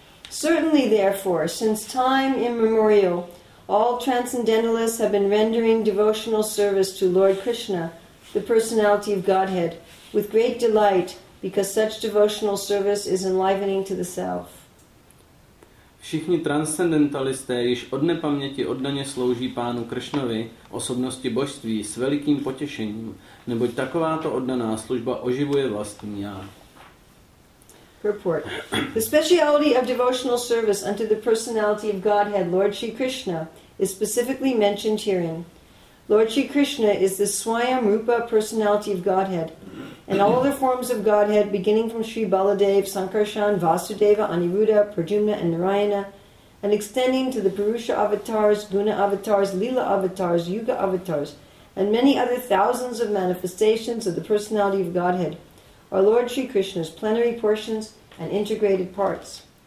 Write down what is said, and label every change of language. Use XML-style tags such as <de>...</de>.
<en>Certainly, therefore, since time immemorial, all transcendentalists have been rendering devotional service to Lord Krishna, the personality of Godhead, with great delight, because such devotional service is enlivening to the self.</en> <cs>Všichni transcendentalisté již od nepaměti oddaně slouží pánu Krishnovi, osobnosti božství, s velikým potěšením, neboť takováto oddaná služba oživuje vlastní já.</cs> <en>Purport. The speciality of devotional service unto the personality of Godhead, Lord Shri Krishna, is specifically mentioned herein. Lord Shri Krishna is the Swayam Rupa personality of Godhead, and all other forms of Godhead, beginning from Sri Baladev, Sankarshan, Vasudeva, Aniruddha, Prajumna, and Narayana, and extending to the Purusha avatars, Guna avatars, Lila avatars, Yuga avatars, and many other thousands of manifestations of the personality of Godhead, are Lord Shri Krishna's plenary portions and integrated parts.</en>